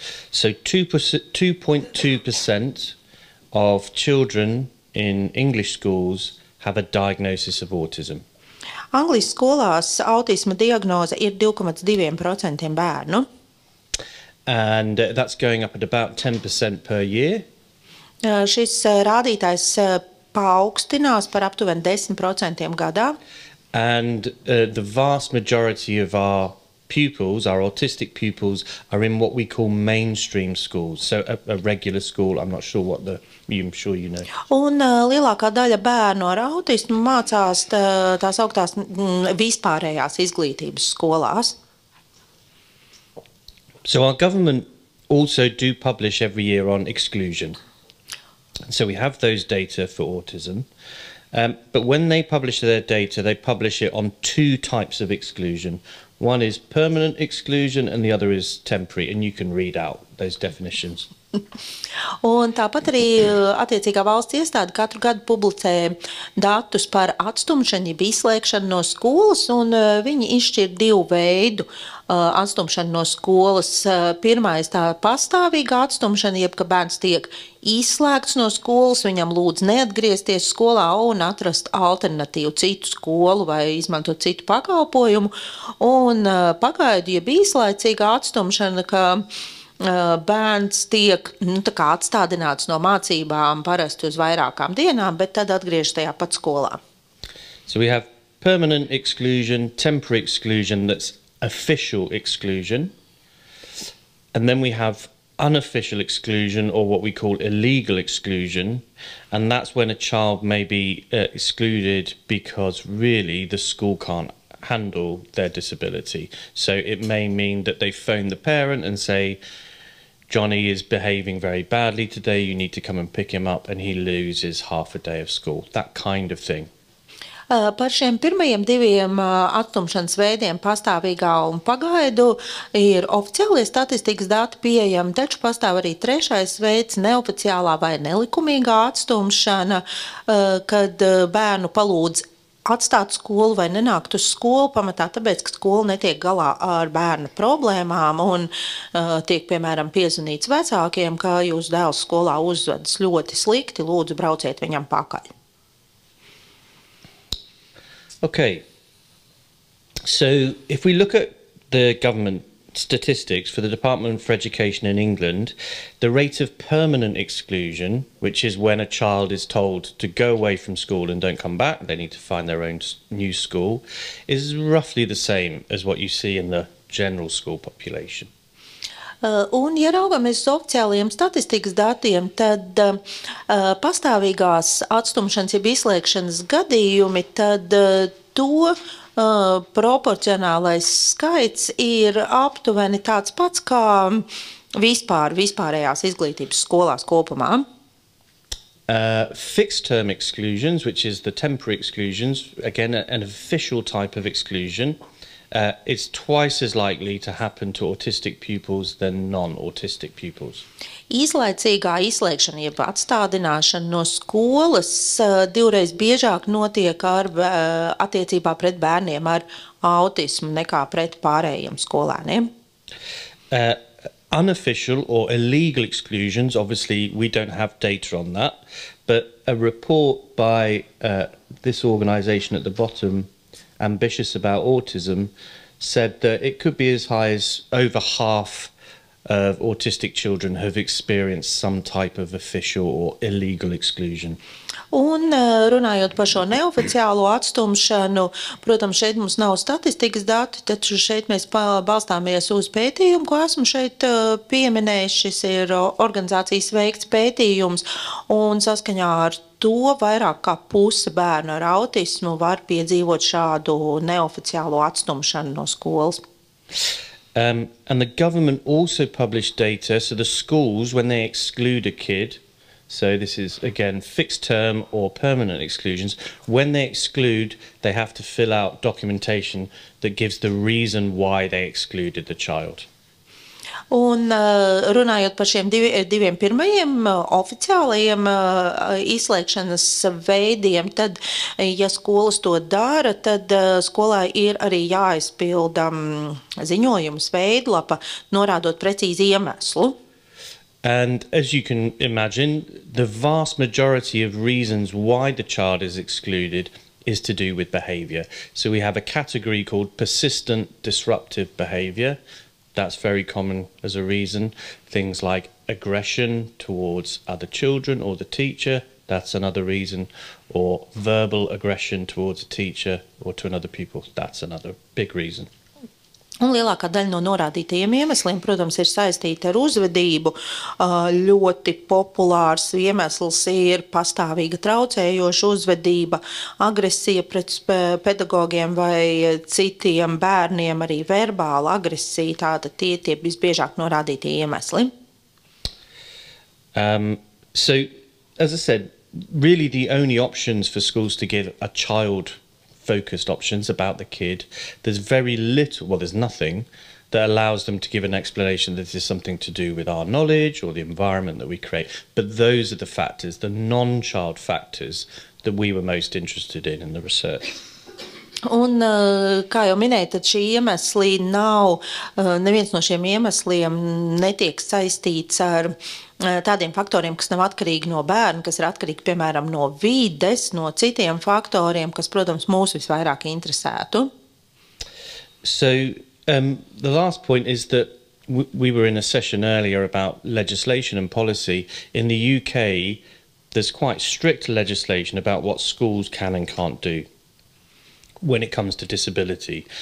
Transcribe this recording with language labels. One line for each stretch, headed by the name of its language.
English: So 2.2% of children in English schools have a diagnosis of autism.
Latvian: Anglijas skolās autisma diagnoze ir 2.2% bērnu.
English: And that's going up at about 10% per year.
Latvian: Šis rādītājs paaugstinās par aptuveni 10% gadā.
English: And the vast majority of our pupils, our autistic pupils, are in what we call mainstream schools. So a regular school, I'm not sure what the, I'm sure you know.
Latvian: Un lielākā daļa bērnu ar autismu mācās tās augtās vispārējās izglītības skolās.
English: So our government also do publish every year on exclusion. So we have those data for autism, but when they publish their data, they publish it on two types of exclusion. One is permanent exclusion and the other is temporary, and you can read out those definitions.
Latvian: Un tāpat arī attiecīgā valsts iestāde katru gadu publicē datus par atstumšanību, izslēgšanu no skolas, un viņi izšķir divu veidu atstumšanu no skolas. Pirmais tā pastāvīga atstumšana, jeb ka bērns tiek izslēgts no skolas, viņam lūdz neatgriezties skolā un atrast alternatīvu citu skolu vai izmantot citu pakalpojumu. Un pagaidu, jeb izslēgtīga atstumšana, ka bērns tiek tā kā atstādināts no mācībām parasti uz vairākām dienām, bet tad atgriežas tajā pat skolā.
English: So we have permanent exclusion, temporary exclusion, that's official exclusion. And then we have unofficial exclusion, or what we call illegal exclusion. And that's when a child may be excluded because really the school can't handle their disability. So it may mean that they phone the parent and say, Johnny is behaving very badly today, you need to come and pick him up, and he loses half a day of school. That kind of thing.
Latvian: Par šiem pirmajiem diviem atstumšanas veidiem, pastāvīgā un pagaidu, ir oficiālie statistikas dati pieejami, taču pastāv arī trešais veids, neoficiālā vai nelikumīgā atstumšana, kad bērnu palūdz atstāt skolu vai nenākt uz skolu, pamatā tāpēc, ka skola netiek galā ar bērna problēmām un tiek, piemēram, piezvanīts vecākiem, ka jūsu dēls skolā uzvedas ļoti slikti, lūdzu brauciet viņam pakaļ.
English: Okay. So, if we look at the government statistics for the Department for Education in England, the rate of permanent exclusion, which is when a child is told to go away from school and don't come back, they need to find their own new school, is roughly the same as what you see in the general school population.
Latvian: Un, ja raugamies oficiālajiem statistikas datiem, tad pastāvīgās atstumšanas jeb izslēgšanas gadījumi, tad to proporcionālais skaits ir aptuveni tāds pats kā vispārējās izglītības skolās kopumā.
English: Fixed term exclusions, which is the temporary exclusions, again an official type of exclusion, it's twice as likely to happen to autistic pupils than non-autistic pupils.
Latvian: Izlaicīgā izslēgšana jeb atstādināšana no skolas divreiz biežāk notiek ar attiecībā pret bērniem ar autismu nekā pret pārējiem skolēniem.
English: Unofficial or illegal exclusions, obviously we don't have data on that, but a report by this organization at the bottom, Ambitious About Autism, said that it could be as high as over half of autistic children have experienced some type of official or illegal exclusion.
Latvian: Un runājot par šo neoficiālo atstumšanu, protams, šeit mums nav statistikas dati, taču šeit mēs balstāmies uz pētījumu, ko esmu šeit pieminējis. Šis ir organizācijas veikts pētījums, un saskaņā ar to vairāk kā puse bērnu ar autismu var piedzīvot šādu neoficiālo atstumšanu no skolas.
English: And the government also published data, so the schools, when they exclude a kid, so this is again fixed term or permanent exclusions, when they exclude, they have to fill out documentation that gives the reason why they excluded the child.
Latvian: Un runājot par šiem diviem pirmajiem oficiālajiem izslēgšanas veidiem, tad, ja skolas to dara, tad skolā ir arī jāizpilda ziņojums veidlapa, norādot precīzi iemeslu.
English: And as you can imagine, the vast majority of reasons why the child is excluded is to do with behavior. So we have a category called persistent disruptive behavior. That's very common as a reason. Things like aggression towards other children or the teacher, that's another reason. Or verbal aggression towards a teacher or to another pupil, that's another big reason.
Latvian: Un lielākā daļa no norādītajiem iemesliem, protams, ir saistīta ar uzvedību. Ļoti populārs iemesls ir pastāvīga traucējoša uzvedība, agresija pret pedagogiem vai citiem bērniem, arī verbāla agresija, tāda tie visbiežāk norādītie iemesli.
English: So, as I said, really the only options for schools to give a child focused options about the kid, there's very little, well, there's nothing that allows them to give an explanation that this is something to do with our knowledge or the environment that we create. But those are the factors, the non-child factors that we were most interested in the research.
Latvian: Un, kā jau minēju, tad šī iemesli nav, neviens no šiem iemesliem netiek saistīts ar tādiem faktoriem, kas nav atkarīgi no bērna, kas ir atkarīgi, piemēram, no vides, no citiem faktoriem, kas, protams, mūs visvairāk interesētu.
English: So, the last point is that we were in a session earlier about legislation and policy. In the UK, there's quite strict legislation about what schools can and can't do when it comes to disability.